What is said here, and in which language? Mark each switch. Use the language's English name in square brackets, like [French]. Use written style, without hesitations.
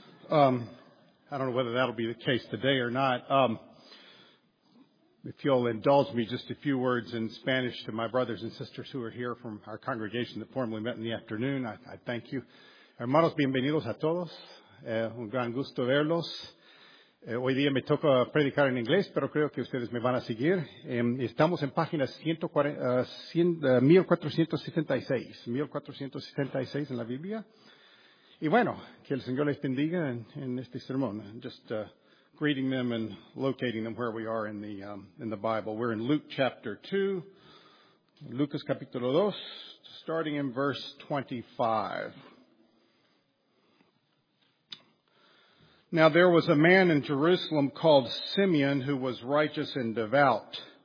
[English] I don't know whether that'll be the case today or not. If you'll indulge me just a few words in Spanish to my brothers and sisters who are here from our congregation that formally met in the afternoon, I thank you. [Spanish] Hermanos, bienvenidos a todos. Un gran gusto verlos. Hoy día me toca predicar en inglés, pero creo que ustedes me van a seguir. Estamos en página 1476 en la Biblia. Y bueno, que el Señor les bendiga en este sermón. [English] Just greeting them and locating them where we are in the Bible. We're in Luke chapter 2, [Spanish] Lucas capítulo 2, [English] starting in verse 25. Now there was a man in Jerusalem called Simeon who was righteous and devout.